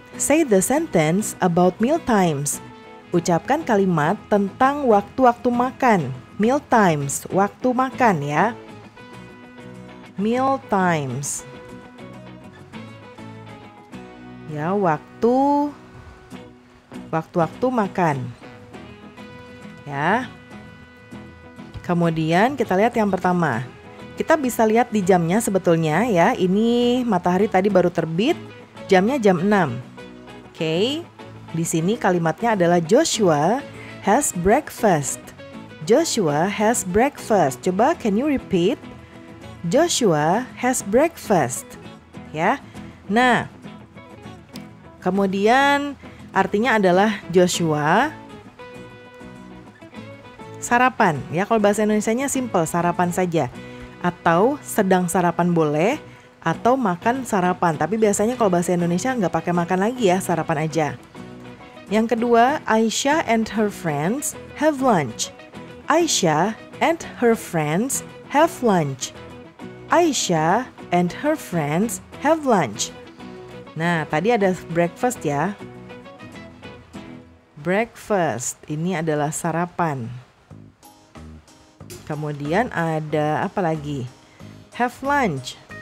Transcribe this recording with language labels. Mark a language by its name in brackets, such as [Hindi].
[English] Say the sentence about meal times. [Indonesian] Ucapkan kalimat tentang waktu-waktu makan. [English] Meal times, [Indonesian] waktu makan ya. [English] Meal times. [Indonesian] Ya, waktu-waktu makan. Ya. Kemudian kita lihat yang pertama. Kita bisa lihat di jamnya sebetulnya ya. Ini matahari tadi baru terbit. Jamnya jam 6. Oke, okay. Di sini kalimatnya adalah [English] Joshua has breakfast. Joshua has breakfast. [Indonesian] Coba, [English] can you repeat? Joshua has breakfast. [Indonesian] ya. Nah, kemudian artinya adalah Joshua sarapan. Ya, kalau bahasa Indonesianya simple, sarapan saja. Atau sedang sarapan boleh, atau makan sarapan. Tapi biasanya kalau bahasa Indonesia nggak pakai makan lagi ya, sarapan aja. Yang kedua, [English] Aisyah and her friends have lunch. Aisyah and her friends have lunch. Aisyah and her friends have lunch. [Indonesian] Nah, tadi ada breakfast ya. Breakfast, ini adalah sarapan. Kemudian ada apa lagi? [English] Have lunch.